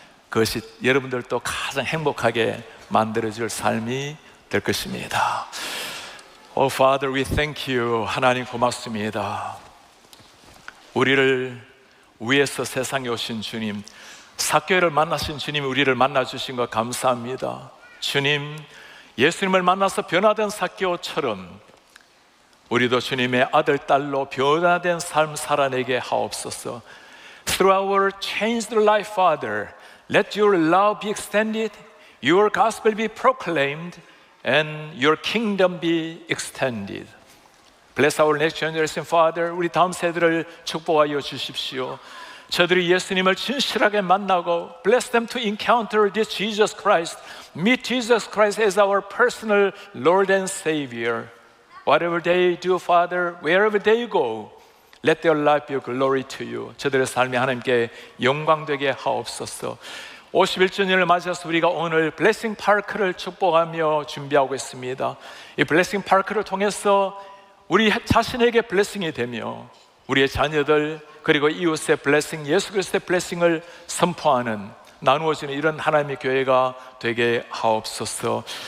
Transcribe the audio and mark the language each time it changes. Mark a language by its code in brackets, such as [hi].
[ko] 그것이 여러분들도 가장 행복하게 만들어줄 삶이 될 것입니다. [en] Oh Father, we thank you. [ko] 하나님 고맙습니다. 우리를 위해서 세상에 오신 주님, 삭개오를 만나신 주님이 우리를 만나주신 것 감사합니다. 주님, 예수님을 만나서 변화된 삭개오처럼 우리도 주님의 아들, 딸로 변화된 삶 살아내게 하옵소서. [en] Through our changed life, Father, let your love be extended, your gospel be proclaimed, and your kingdom be extended. Bless our next generation, Father. [ko] 우리 다음 세대를 축복하여 주십시오. 저들이 예수님을 진실하게 만나고, [en] bless them to encounter this Jesus Christ, meet Jesus Christ as our personal Lord and Savior. Whatever they do, Father, wherever they go, let their life be a glory to you. [ko] 저들의 삶이 하나님께 영광되게 하옵소서. 51주년을 맞아서 우리가 오늘 Blessing Park를 축복하며 준비하고 있습니다. 이 Blessing Park를 통해서 우리 자신에게 Blessing이 되며 우리의 자녀들 그리고 이웃의 Blessing, 예수 그리스도의 Blessing을 선포하는, 나누어지는 이런 하나님의 교회가 되게 하옵소서.